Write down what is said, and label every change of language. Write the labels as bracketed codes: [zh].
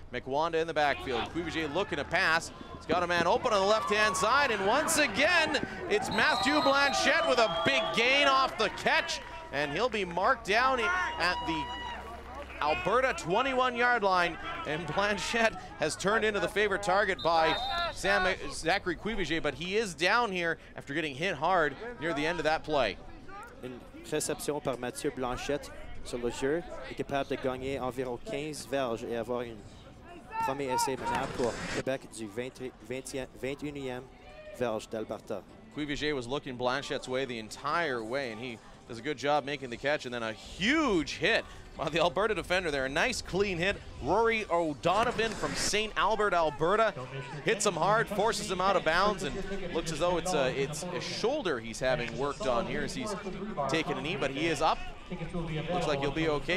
[en] McWanda in the backfield, Cuvier looking to pass. He's got a man open on the left-hand side, and once again, it's Matthew Blanchette with a big gain off the catch. And he'll be marked down at the Alberta 21-yard line. And Blanchette has turned into the favorite target by Zachary Cuvier, but he is down here after getting hit hard near the end of that play. [fr] Une réception par Mathieu Blanchette sur le jeu est capable de gagner environ 15 verges et avoir un premier essai maintenant pour Québec du 21e verge d'Alberta. [en] Cuvier was looking Blanchette's way the entire way, and he does a good job making the catch, and then a huge hit by the Alberta defender there. A nice clean hit. Rory O'Donovan from St. Albert, Alberta, hits him hard, forces him out of bounds, and looks as though it's a shoulder he's having worked on here as he's taking a knee, but he is up. Looks like he'll be okay.